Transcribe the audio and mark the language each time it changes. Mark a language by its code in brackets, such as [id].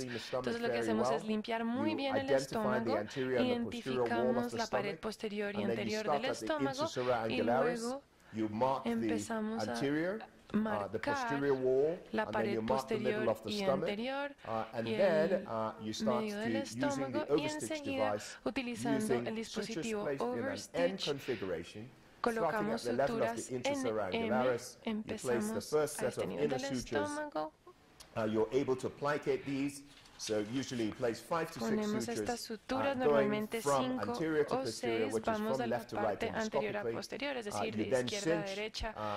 [es] Entonces lo que hacemos es limpiar muy bien el estómago, identificamos la pared posterior y anterior del estómago y luego empezamos a marcar la pared posterior y anterior y el medio del estómago y enseguida utilizando el dispositivo overstitch. Colocamos suturas en M, empezamos a extender el estómago. [en] You're able to placate these, so usually place 5 to 6 sutures. [es] Ponemos estas suturas normalmente 5 o 6, vamos de la parte anterior a posterior, es decir, de izquierda a derecha.